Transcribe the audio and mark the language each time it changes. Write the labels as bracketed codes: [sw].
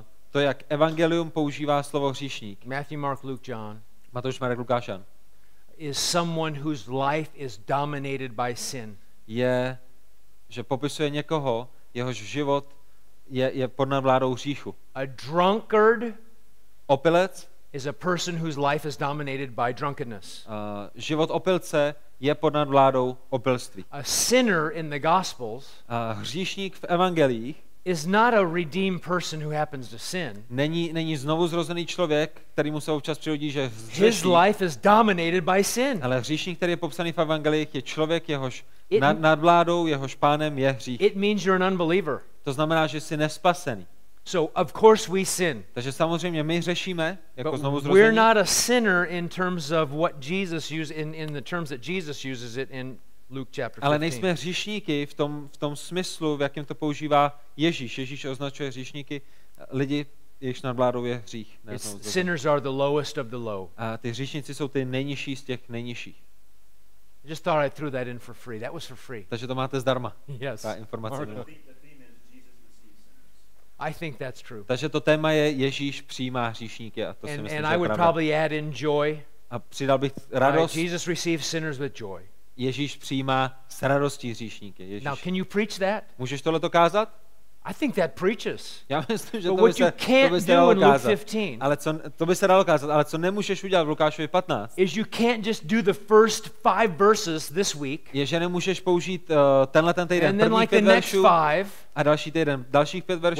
[cs] To jak evangelium používá slovo hříšník. [en] Matthew, Mark, Luke, John. [cs] Matouš, Marek, Lukáš, Jan. [en] Is someone whose life is dominated by sin. [cs] Je že popisuje někoho, jehož život je pod nadvládou hříchu. [en] A drunkard, [cs] opilec, [en] is a person whose life is dominated by drunkenness. [cs] Život opilce je pod nadvládou opilství. [en] A sinner in the gospels, [cs] hříšník v evangeliích, [en] is not a redeemed person who happens to sin. [cs] Není znovu zrozený člověk, který mu se občas přihodí, že hřeší. [en] His life is dominated by sin. [cs] Ale hříšník, který je popsaný v evangeliích, je člověk, jehož nadvládou, jehož pánem je hřích. [en] It means you're an unbeliever. [cs] To znamená, že jsi nespasený. [en] So of course we sin. [cs] Takže samozřejmě my hřešíme jako znovu zrození. [en] We're not a sinner in terms of what Jesus uses in the terms that Jesus uses it in Luke chapter 15. [cs] Ale nejsme hříšníky v tom smyslu, v jakém to používá Ježíš. Ježíš označuje hříšníky lidi, jejichž nadvládou je hřích. [en] Sinners are the lowest of the low. [cs] A ty hříšníci jsou ty nejnižší z těch nejnižších. [en] Just thought I threw that in for free. That was for free. [cs] Takže to máte zdarma. [en] Yes. [cs] Ta informace. [en] I think that's true. [cs] Takže to téma je Ježíš přijímá hříšníky a to si myslím, že [en] And I would probably add in joy. [cs] A přidal bych radost. [en] Jesus receives sinners with joy. [cs] Ježíš přijímá s radostí hříšníky. Ježíš. [en] Now can you preach that? [cs] Můžeš tohle to kázat? [en] I think that preaches. [cs] Já myslím, že to by se dalo kázat. Ale co to by se dalo kázat, ale co nemůžeš udělat v Lukášovi 15? [en] Is you can't just do the first five verses this week. [cs] Je, že nemůžeš použít tenhle ten týden [en] and then [cs] první [en] like the [cs] veršů, [en] next five. [cs] A další týden dalších pět veršů.